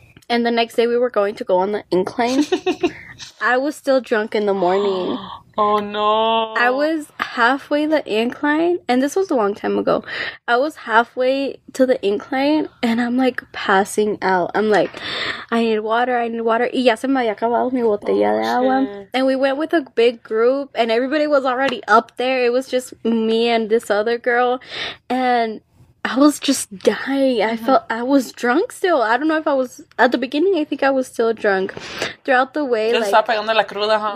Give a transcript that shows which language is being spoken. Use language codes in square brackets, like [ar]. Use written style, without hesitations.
[en] And the next day we were going to go on the incline. I was still drunk in the morning. Oh, no. I was halfway the incline, and this was a long time ago. I was halfway to the incline, and I'm, like, passing out. I'm like, I need water. [es] Y ya se me había acabado mi botella de agua. [en] And we went with a big group, and everybody was already up there. It was just me and this other girl, and I was just dying. I felt I was drunk still. I don't know if I was at the beginning. I think I was still drunk throughout the way. Just like, [es] apagando la cruda, [en] huh?